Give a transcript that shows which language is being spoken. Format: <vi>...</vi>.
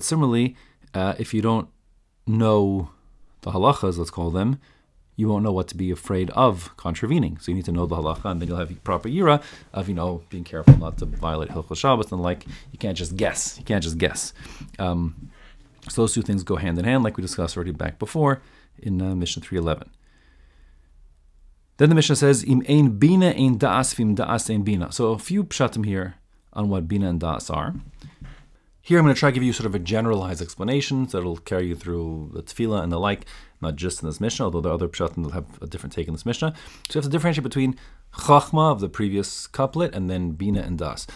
<en>But similarly, if you don't know the halachas, let's call them, you won't know what to be afraid of contravening. So you need to know the halacha, and then you'll have proper yira of, you know, being careful not to violate Hilchos Shabbos and the like. You can't just guess. So those two things go hand in hand, like we discussed already back before in Mishnah 3:11. Then the Mishnah says,</en> <he>"Im ein bina ein daas vim daas ein bina."</he> <en>So a few pshatim here on what bina and daas are. Here I'm going to try to give you sort of a generalized explanation that'll carry you through the tefillah and the like, not just in this Mishnah, although the other pshatim will have a different take in this Mishnah. So you have to differentiate between chachma of the previous couplet and then bina and das.</en>